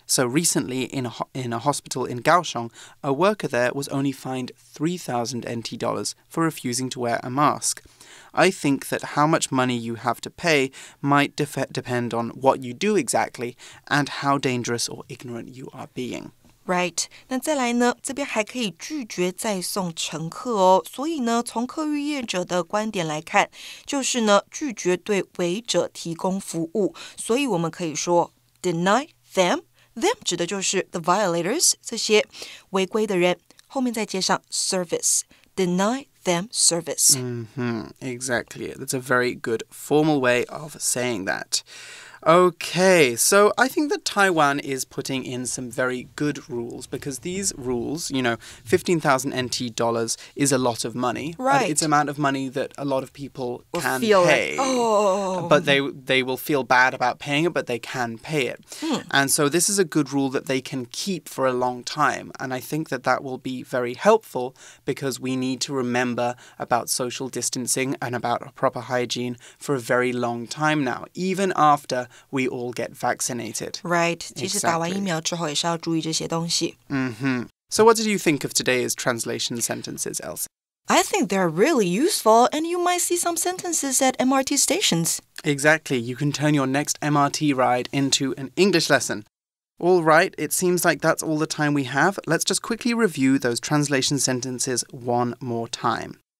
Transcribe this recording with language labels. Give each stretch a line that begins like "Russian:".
English: So recently, in a hospital in Kaohsiung, a worker there was only fined NT$3,000 for refusing to wear a mask. I think that how much money you have to pay might depend on what you do exactly and how dangerous or ignorant you are being.
Chinese: Right, 那再来呢，这边还可以拒绝再送乘客哦。所以呢，从客运业者的观点来看，就是呢，拒绝对违者提供服务。所以我们可以说
English: deny them.
Chinese: Them 指的就是
English: the violators,
Chinese: 这些违规的人。后面再接上
English: service, deny them service. Mm-hmm, exactly. That's a very good formal way of saying that. Okay, so I think that Taiwan is putting in some very good rules because these rules, you know, NT$15,000 is a lot of money. Right. It's an amount of money that a lot of people can feel pay. Like, oh. But they will feel bad about paying it, but they can pay it. And so this is a good rule that they can keep for a long time. And I think that that will be very helpful because we need to remember about social distancing and about proper hygiene for a very long time now, even afterWe all get vaccinated. Right.
Chinese: 其实打完疫苗之后也是要注意这些东西。 Mm-hmm.
English: So what did you think of today's translation sentences, Elsie? I think they're really useful, and you might see some sentences at MRT stations. Exactly. You can turn your next MRT ride into an English lesson. All right. It seems like that's all the time we have. Let's just quickly review those translation sentences one more time.